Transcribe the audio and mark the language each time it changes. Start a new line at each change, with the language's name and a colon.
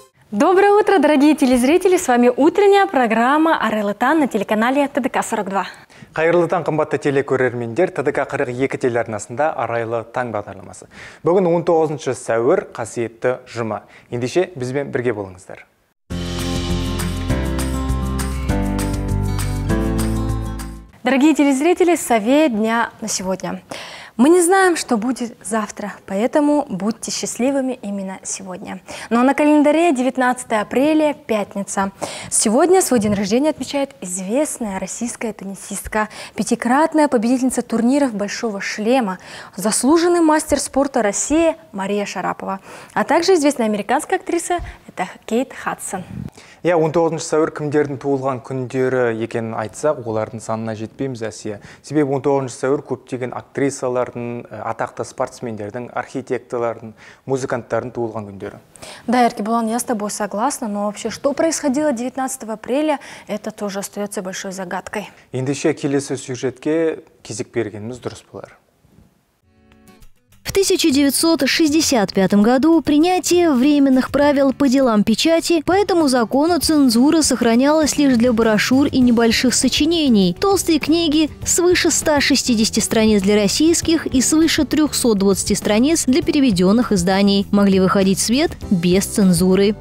Russian: Доброе утро, дорогие телезрители! С вами утренняя программа «Арайлы таң» на телеканале ТДК 42.
Kazakh: Қайырлы таң, қымбатты телекөрермендер, ТДК 42 телеарнасында «Арайлы таң» бағдарламасы. Бүгін 19 сәуір, қасиетті жұма. Ендеше, бізбен бірге болыңыздар.
Russian: Дорогие телезрители, совет дня на сегодня. Мы не знаем, что будет завтра, поэтому будьте счастливыми именно сегодня. Ну а на календаре 19 апреля, пятница. Сегодня свой день рождения отмечает известная российская теннисистка, пятикратная победительница турниров «Большого шлема», заслуженный мастер спорта России Мария Шарапова, а также известная американская актриса это Кейт Хадсон.
Kazakh: Я 19 сәуір кімдердің туылған күндері екенін айтсақ, олардың санына жетпейміз әсе. Себебі 19 сәуір көптеген актрисалардың, атақты спортсмендердің, архитекторлардың, музыканттардың туылған күндері.
Russian: Да, Эркебулан, я с тобой согласна, но вообще, что происходило 19 апреля, это тоже остается большой загадкой.
Kazakh: Ендеше келесі сюжетке кезек бергеніміз дұрыс болар.
Russian: В 1965 году принятие временных правил по делам печати, по этому закону цензура сохранялась лишь для брошюр и небольших сочинений. Толстые книги свыше 160 страниц для российских и свыше 320 страниц для переведенных изданий могли выходить в свет без цензуры.